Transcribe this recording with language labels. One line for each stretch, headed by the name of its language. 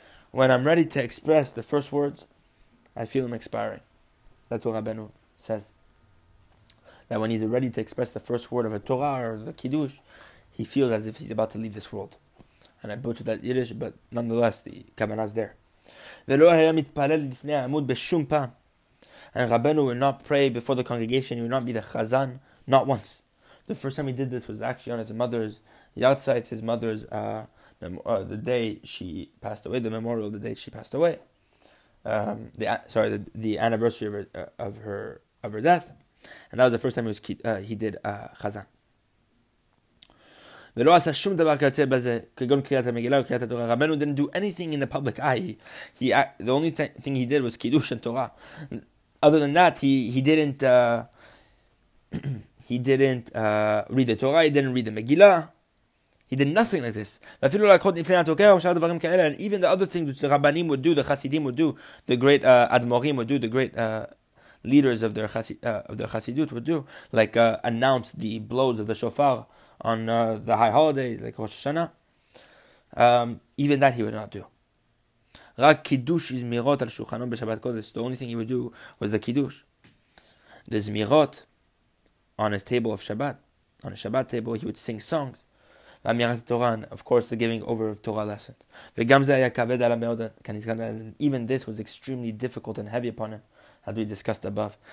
English: When I'm ready to express the first words, I feel him expiring. That's what Rabbeinu says. That when he's ready to express the first word of a Torah or the kiddush, he feels as if he's about to leave this world. And I butchered that Yiddish, but nonetheless, the Kabbalah is there.
Hebrew: ולא היה מתפלל לפני העמוד בשום פעם.
English: And Rabbeinu would not pray before the congregation. He would not be the chazan, not once. The first time he did this was actually on his mother's yahrzeit, his mother's the day she passed away, the memorial of the day she passed away. The anniversary of her death, and that was the first time he did chazan.
Hebrew: ולא עשה שום דבר כיוצא בזה, כגון קריאת המגילה וקריאת התורה.
English: Rabbeinu didn't do anything in the public eye. The only thing he did was kiddush and Torah. Other than that, he didn't read the Torah. He didn't read the Megillah. He did nothing like this. And even the other things which the Rabbanim would do, the Chassidim would do, the great Admorim would do, the great leaders of their Chassidut would do, like announce the blows of the shofar on the high holidays, like Rosh Hashanah. Even that he would not do.
Hebrew: רק קידוש זמירות על שולחנו בשבת קודש.
English: The only thing he would do was the kiddush. The zmirot on his table of Shabbat. On a Shabbat table, he would sing songs.
Hebrew: ואמירת התורה,
English: of course, the giving over of Torah lessons.
Hebrew: וגם זה היה כבד על המאוד.
English: Even this was extremely difficult and heavy upon him, as we discussed above.